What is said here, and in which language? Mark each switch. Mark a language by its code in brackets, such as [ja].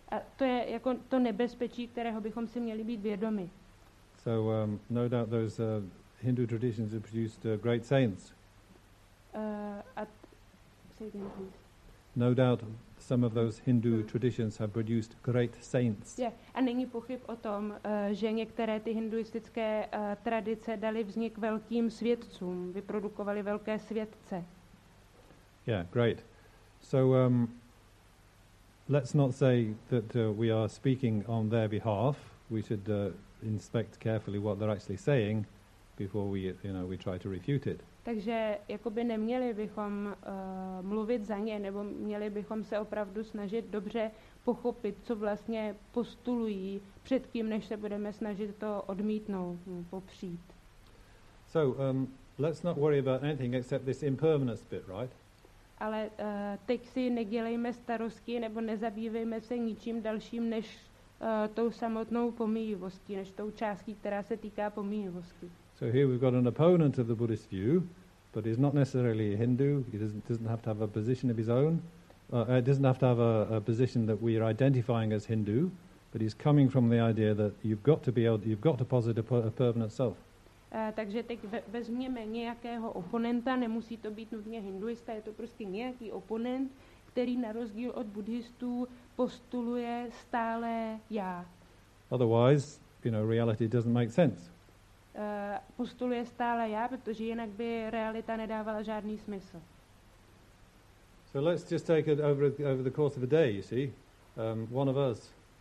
[cs] A to je jako to nebezpečí, kterého bychom si měli být vědomi. [en] So no doubt those Hindu traditions have produced great saints. Say again, please. No doubt some of those Hindu traditions have produced great saints. Yeah. [cs] A není pochyb o tom, že některé ty hinduistické tradice dali vznik velkým světcům, vyprodukovali velké světce. [en] Yeah, great. So let's not say that we are speaking on their behalf. We should inspect carefully what they're actually saying before we try to refute it. [cs] Takže jakoby neměli bychom mluvit za ně, nebo měli bychom se opravdu snažit dobře pochopit, co vlastně postulují před tím, než se budeme snažit to odmítnout, popřít. [en] So, let's not worry about anything except this impermanence bit, right? [cs] Ale teď si nedělejme starosti, nebo nezabývejme se ničím dalším, než tou samotnou pomíjivostí, než tou částí, která se týká pomíjivosti. [en] So here we've got an opponent of the Buddhist view, but he's not necessarily a Hindu. He doesn't have to have a position of his own. He doesn't have to have a position that we are identifying as Hindu, but he's coming from the idea that you've got to posit a permanent self. [cs] Takže teď vezměme nějakého oponenta, nemusí to být nutně hinduista, je to prostě nějaký oponent, který na rozdíl od buddhistů postuluje stále já. [en] Otherwise, reality doesn't make sense. [cs] Postuluje stále já, protože jinak by realita nedávala žádný smysl. [en] So let's just take it over the course of a day, you see. One of us.